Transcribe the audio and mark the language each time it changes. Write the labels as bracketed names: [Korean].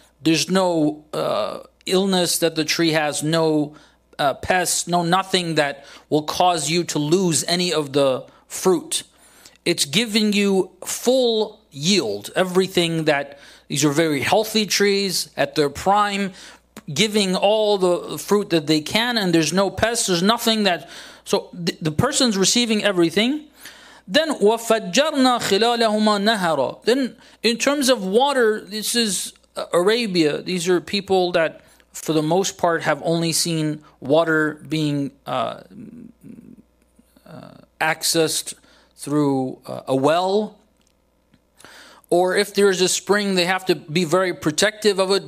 [English] There's no illness that the tree has, no pests, no nothing that will cause you to lose any of the fruit. It's giving you full yield. Everything that, these are very healthy trees at their prime, giving all the fruit that they can, and there's no pests, there's nothing that, so the person's receiving everything. Then [Arabic] وَفَجَّرْنَا خِلَالَهُمَا نَهَرًا. [English] Then in terms of water, this is Arabia. These are people that for the most part have only seen water being accessed through a well. Or if there is a spring, they have to be very protective of it.